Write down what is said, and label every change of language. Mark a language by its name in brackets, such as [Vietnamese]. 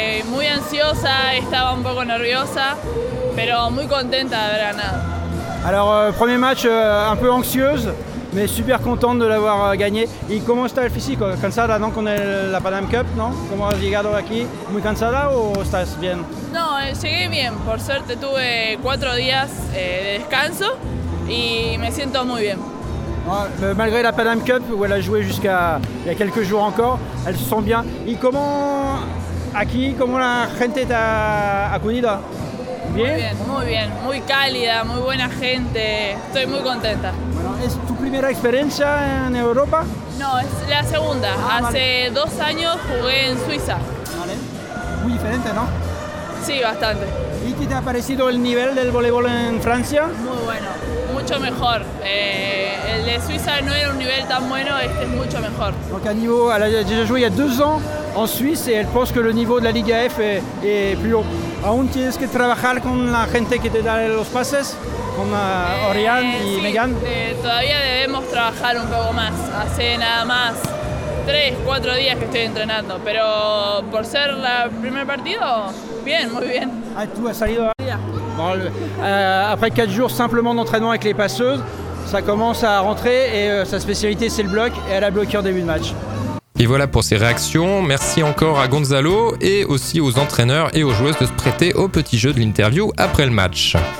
[Spanish] Muy ansiosa, estaba un poco nerviosa, pero muy contenta de haber ganado. [French] Alors, premier match un peu anxieuse, mais super contente de l'avoir gagné. [Spanish] ¿Y cómo está el físico? ¿Cansada, no, con la Panam Cup, no? ¿Cómo has llegado aquí? ¿Muy cansada o estás bien? No, llegué bien. Por suerte tuve 4 días de descanso y me siento muy bien. [French] Malgré la Panam Cup, où elle a joué jusqu'à il y a quelques jours encore, elle se sent bien. [Spanish] ¿Y cómo aquí, cómo la gente te ha acudido? Bien. Muy bien, muy cálida, muy buena gente. Estoy muy contenta. ¿Es tu primera experiencia en Europa? No, es la segunda. Hace 2 años jugué en Suiza. Vale. Muy diferente, ¿no? Sí, bastante. ¿Y qué te ha parecido el nivel del voleibol en Francia? Muy bueno, mucho mejor. El de Suiza no era un nivel tan bueno, este es mucho mejor. [French] Donc, a niveau, elle a déjà joué il y a 2 ans en Suisse et elle pense que le niveau de la Liga F est plus haut. [Spanish] ¿Aún tienes que trabajar con la gente que te da los pases? Como Orián y sí, Megan. Todavía debemos trabajar un poco más. Hace nada más 3-4 días que estoy entrenando, pero por ser el primer partido, bien, muy bien. Ah, tú has salido. [French] Bon, après 4 jours simplement d'entraînement avec les passeuses, ça commence à rentrer et sa spécialité c'est le bloc et elle a bloqué en début de match. Et voilà pour ces réactions. Merci encore à Gonzalo et aussi aux entraîneurs et aux joueuses de se prêter au petit jeu de l'interview après le match.